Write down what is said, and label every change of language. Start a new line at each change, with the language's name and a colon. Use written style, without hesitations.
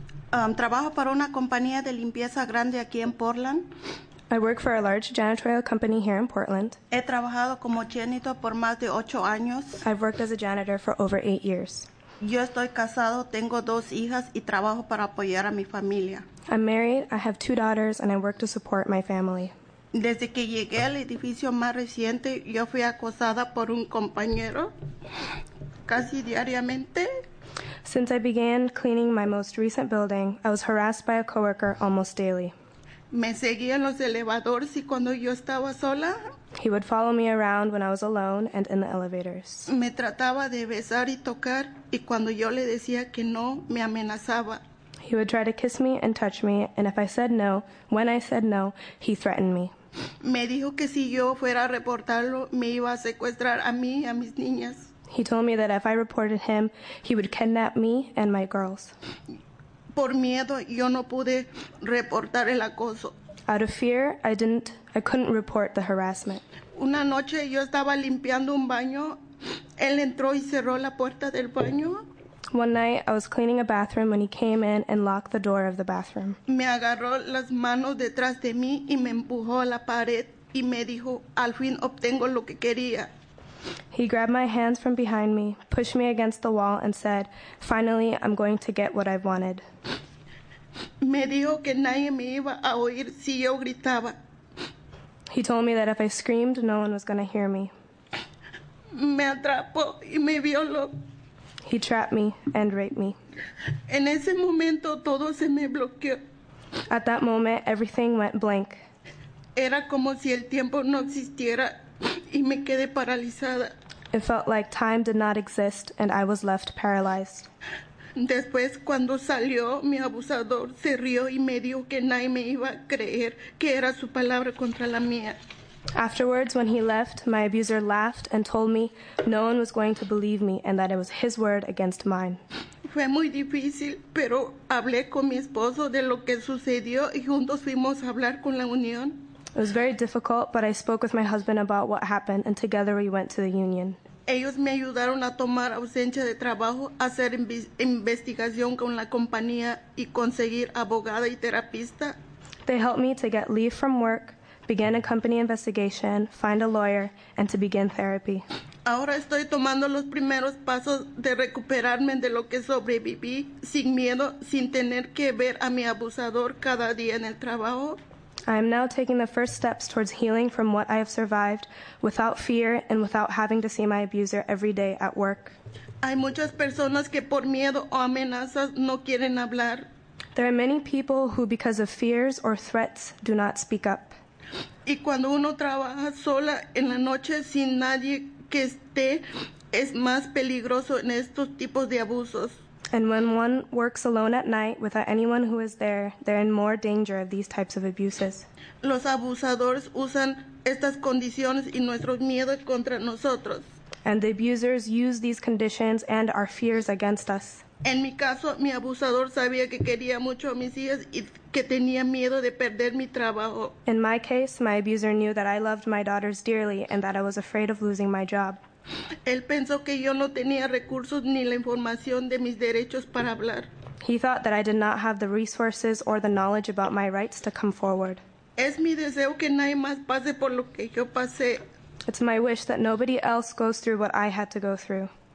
Spanish: Trabajo para una compañía de limpieza grande aquí en Portland.
English: I work for a large janitorial company here in Portland.
Spanish: He trabajado como janitor por más de 8 años.
English: I've worked as a janitor for over 8 years.
Spanish: Yo estoy casado, tengo 2 hijas y trabajo para apoyar a mi familia.
English: I'm married, I have 2 daughters, and I work to support my family.
Spanish: Desde que llegué al edificio más reciente, yo fui acosada por un compañero casi diariamente.
English: Since I began cleaning my most recent building, I was harassed by a coworker almost daily.
Spanish: Me seguía en los elevadores y cuando yo estaba sola.
English: He would follow me around when I was alone and in the elevators.
Spanish: Me trataba de besar y tocar, y cuando yo le decía que no, me amenazaba.
English: He would try to kiss me and touch me, and when I said no, he threatened me.
Spanish: Me dijo que si yo fuera a reportarlo, me iba a secuestrar a mí y a mis niñas.
English: He told me that if I reported him, he would kidnap me and my girls.
Spanish: Por miedo, yo no pude reportar el acoso.
English: Out of fear, I couldn't report the harassment.
Spanish: Una noche, yo estaba limpiando un baño. Él entró y cerró la puerta del baño.
English: One night, I was cleaning a bathroom when he came in and locked the door of the bathroom.
Spanish: Me agarró las manos detrás de mí y me empujó a la pared y me dijo, al fin obtengo lo que quería.
English: He grabbed my hands from behind me, pushed me against the wall, and said, finally, I'm going to get what I've wanted.
Spanish: Me dijo que nadie me iba a oír si yo gritaba.
English: He told me that if I screamed, no one was going to hear me.
Spanish: Me atrapó y me violó.
English: He trapped me and raped me.
Spanish: En ese momento, todo se me bloqueó.
English: At that moment, everything went blank.
Spanish: Era como si el tiempo no existiera. Y me quedé paralizada.
English: It felt like time did not exist and I was left paralyzed.
Spanish: Después, cuando salió, mi abusador se rió y me dijo que nadie me iba a creer, que era su palabra contra la mía.
English: Afterwards, when he left, my abuser laughed and told me no one was going to believe me and that it was his word against mine.
Spanish: Fue muy difícil, pero hablé con mi esposo de lo que sucedió y juntos fuimos a hablar con la unión.
English: It was very difficult, but I spoke with my husband about what happened, and together we went to the union.
Spanish: Ellos me ayudaron a tomar ausencia de trabajo, hacer investigación con la compañía, y conseguir abogada y terapista.
English: They helped me to get leave from work, begin a company investigation, find a lawyer, and to begin therapy.
Spanish: Ahora estoy tomando los primeros pasos de recuperarme de lo que sobreviví sin miedo, sin tener que ver a mi abusador cada día en el trabajo.
English: I am now taking the first steps towards healing from what I have survived without fear and without having to see my abuser every day at work.
Spanish: Hay muchas personas que por miedo o amenazas no quieren hablar.
English: There are many people who, because of fears or threats, do not speak up.
Spanish: Y cuando uno trabaja sola en la noche sin nadie que esté, es más peligroso en estos tipos de abusos.
English: And when one works alone at night without anyone who is there, they're in more danger of these types of abuses.
Spanish: Los abusadores usan estas condiciones y nuestros miedos contra nosotros.
English: And the abusers use these conditions and our fears against us.
Spanish: En mi caso, mi abusador sabía que quería mucho a mis hijas y que tenía miedo de perder mi trabajo.
English: In my case, my abuser knew that I loved my daughters dearly and that I was afraid of losing my job.
Spanish: Él pensó que yo no tenía recursos ni la información de mis derechos para hablar.
English: He thought that I did not have the resources or the knowledge about my rights to come forward.
Spanish: Es mi deseo que nadie más pase por lo que yo pasé.
English: It's my wish that nobody else goes through what I had to go through.